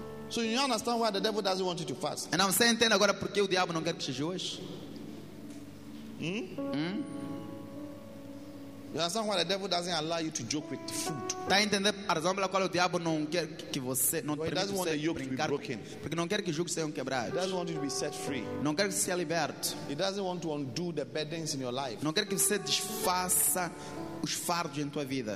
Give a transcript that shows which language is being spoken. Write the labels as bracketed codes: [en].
[en] So you understand why the devil doesn't want you to fast. And I'm saying then [pt] agora porque o diabo não quer que jejues. [en] You understand why the devil doesn't allow you to joke with food? [pt] Tá entendendo a razão pela qual o diabo não quer que você não permita você brincar? [en] He doesn't want the yoke to be broken. [pt] Porque não quer que o jugo seja quebrado. [en] He doesn't want you to be set free. [pt] Não quer que você seja liberto. [en] He doesn't want to undo the burdens in your life. [pt] Não quer que você desfaça os fardos em tua vida.